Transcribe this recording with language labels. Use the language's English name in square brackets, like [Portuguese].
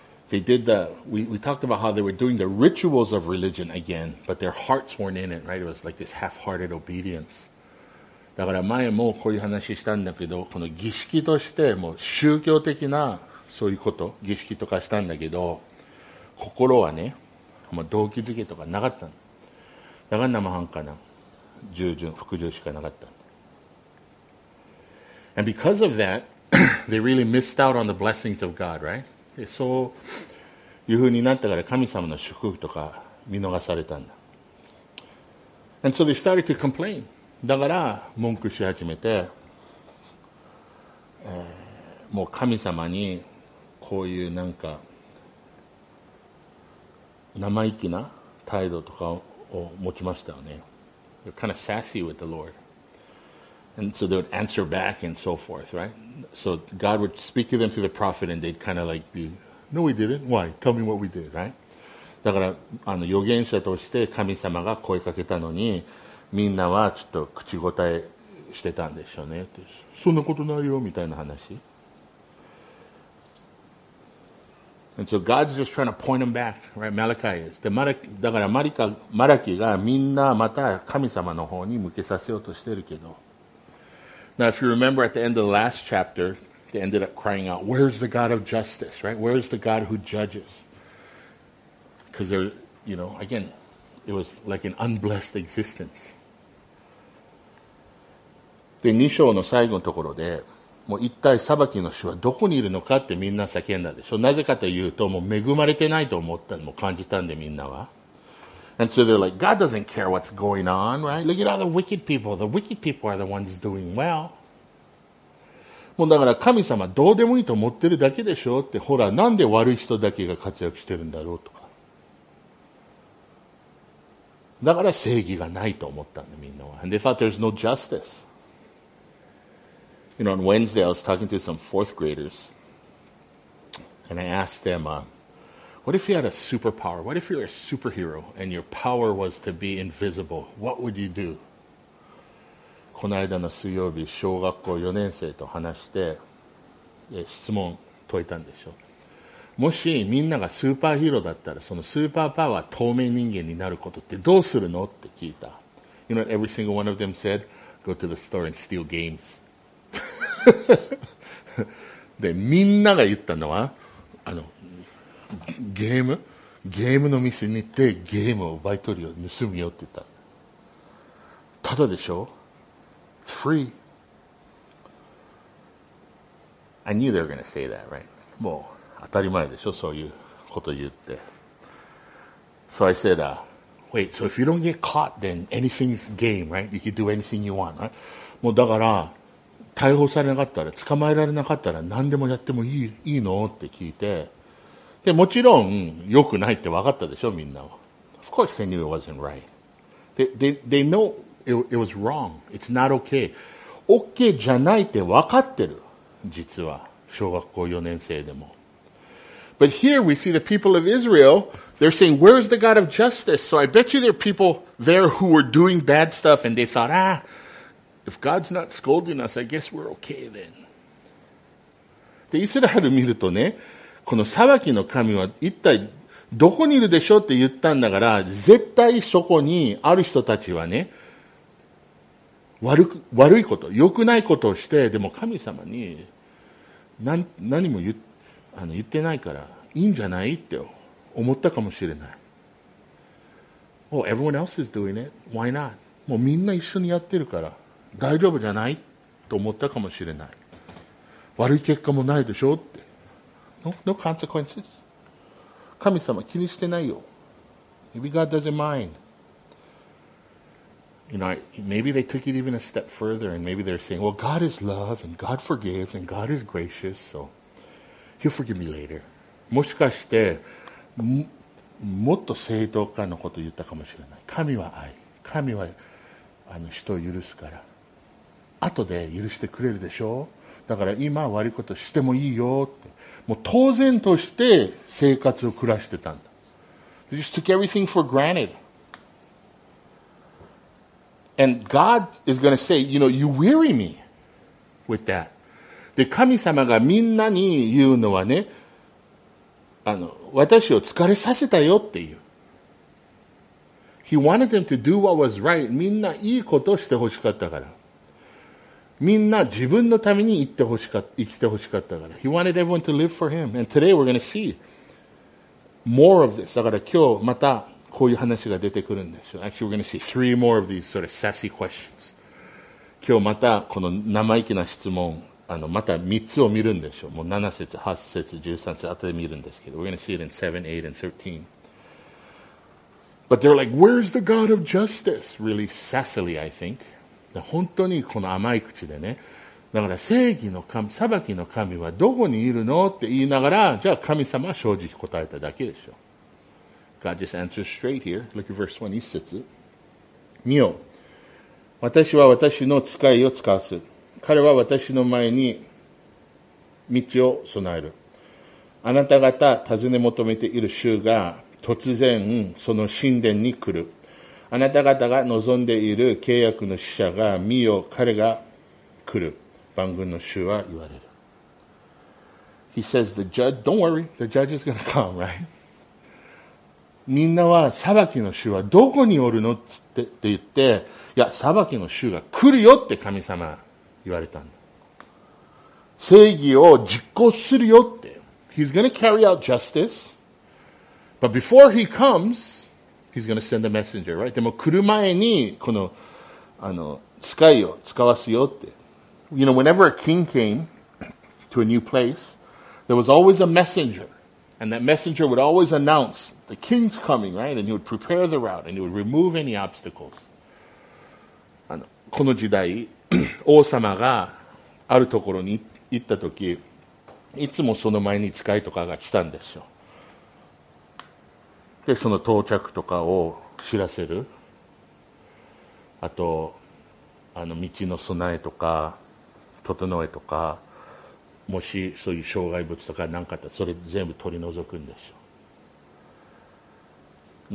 [English] They did the, we talked about how they were doing the rituals of religion again, but their hearts weren't in it, right? It was like this half-hearted obedience. [Japanese] だから前もこういう話したんだけど、この儀式としてもう宗教的なそういうこと、儀式とかしたんだけど、心はね、もう動機づけとかなかったんだ。だから生半可な、従順、服従しかなかった。 [English] And because of that, they really missed out on the blessings of God, right? [Japanese] そういうふうになったから神様の祝福とか見逃されたんだ。 [English] And so they started to complain. [Japanese] だから文句し始めて、もう神様にこういうなんか生意気な態度とかを持ちましたよね。 [English] They're kind of sassy with the Lord. And so they would answer back and so forth, right? So God would speak to them through the prophet and they'd kind of like be, no, we didn't. Why? Tell me what we did, right? [Japanese] だから、あの、預言者として神様が声かけたのに、みんなはちょっと口答えしてたんでしょうね。そんなことないよ、みたいな話。 [English] And so God's just trying to point them back, right? Malachi is. [Japanese] で、だから、マラキがみんなまた神様の方に向けさせようとしてるけど、 [English] Now, if you remember at the end of the last chapter, they ended up crying out, where's the God of justice, right? Where's the God who judges? Because they're, you know, again, it was like an unblessed existence. [Japanese] で、2章の最後のところで、もう一体裁きの主はどこにいるのかってみんな叫んだでしょ。なぜかというと、もう恵まれてないと思ったのも感じたんで、みんなは。 [English] And so they're like, God doesn't care what's going on, right? Look at all the wicked people. The wicked people are the ones doing well. [Japanese] もうだから神様どうでもいいと思ってるだけでしょって、ほら、なんで悪い人だけが活躍してるんだろうとか。だから正義がないと思ったんだ、みんなは。 [English] And they thought there's no justice. You know, on Wednesday I was talking to some fourth graders. And I asked them, What if you had a superpower? What if you were a superhero and your power was to be invisible? What would you do? [Japanese] この間の水曜日、小学校4年生と話して、質問解いたんでしょ。もしみんながスーパーヒーローだったら、そのスーパーパワー、透明人間になることってどうするのって聞いた。 [English] You know what every single one of them said? Go to the store and steal games. [Japanese] で、みんなが言ったのは、あの、ゲームの店に行ってゲームを奪い取るよ、盗むよって言った。ただでしょ [English] It's free. I knew they were going to say that, right? [Japanese] もう当たり前でしょ、そういうこと言って。 [English] So I said, wait, so if you don't get caught, then anything's game, right? You can do anything you want, right? [Japanese] もうだから、逮捕されなかったら、捕まえられなかったら何でもやってもいいのって聞いて、で、もちろん、良くないって分かったでしょ、みんなは。 [English] Of course they knew it wasn't right. They know it was wrong. It's not okay. [Japanese] Okay じゃないって分かってる。実は。小学校4年生でも。 [English] But here we see the people of Israel, they're saying, where's the God of justice? So I bet you there are people there who were doing bad stuff and they thought, if God's not scolding us, I guess we're okay then. [Japanese] で、イスラエル見るとね、この裁きの神は一体どこにいるでしょうって言ったんだから、絶対そこにある人たちはね、悪いこと、良くないことをして、でも神様に何も 言ってないからいいんじゃないって思ったかもしれない。 Oh, everyone else is doing it. Why not? もうみんな一緒にやってるから大丈夫じゃないと思ったかもしれない。悪い結果もないでしょうって。 [English] No consequences. [Japanese] 神様気にしてないよ。 [English] Maybe God doesn't mind. You know, maybe they took it even a step further and maybe they're saying, well, God is love and God forgives and God is gracious, so He'll forgive me later. [Japanese] もしかして もっと正当化のことを言ったかもしれない。神は愛。神はあの人を許すから。後で許してくれるでしょう。だから今悪いことしてもいいよって。もう当然として生活を暮らしてたんだ。 [English] They just took everything for granted. And God is going to say, you know, you weary me with that. [Japanese] で、神様がみんなに言うのはね、あの、私を疲れさせたよっていう。 [English] He wanted them to do what was right. [Japanese] みんないいことをしてほしかったから。みんな自分のために生きてほしかったから。 [English] He wanted everyone to live for him. And today we're going to see more of this. [Japanese] だから今日またこういう話が出てくるんでしょう。 [English] Actually, we're going to see three more of these sort of sassy questions. [Japanese] 今日またこの生意気な質問、あの、また3つを見るんでしょう。もう7節、8節、13節、後で見るんですけど。 [English] We're going to see it in 7, 8, and 13. But they're like, where's the God of justice? Really sassily, I think. [Japanese] 本当にこの甘い口でね。だから正義の神、裁きの神はどこにいるのって言いながら、じゃあ神様は正直答えただけでしょう。 [English] God just answers straight here. Look at verse 1, [Japanese] 一節。見よ。私は私の使いを使わす。彼は私の前に道を備える。あなた方尋ね求めている衆が突然その神殿に来る。あなた方が望んでいる契約の使者が見よ、彼が来る。万軍の主は言われる。 [English] He says, the judge, don't worry, the judge is going to come, right? [Japanese] みんなは裁きの主はどこにおるのって言って、いや、裁きの主が来るよって神様言われたんだ。正義を実行するよって。 [English] He's going to carry out justice, but before he comes,He's going to send a messenger, right? [Japanese] でも来る前にこの、あの、使いを使わすよって。 [English] You know, whenever a king came to a new place, there was always a messenger. And that messenger would always announce the king's coming, right? And he would prepare the route and he would remove any obstacles. [Japanese] あの、この時代、王様があるところに行った時、いつもその前に使いとかが来たんですよ。で、その到着とかを知らせる。あと、あの、道の備えとか、整えとか、もしそういう障害物とか何かあったら、それ全部取り除くんでしょう。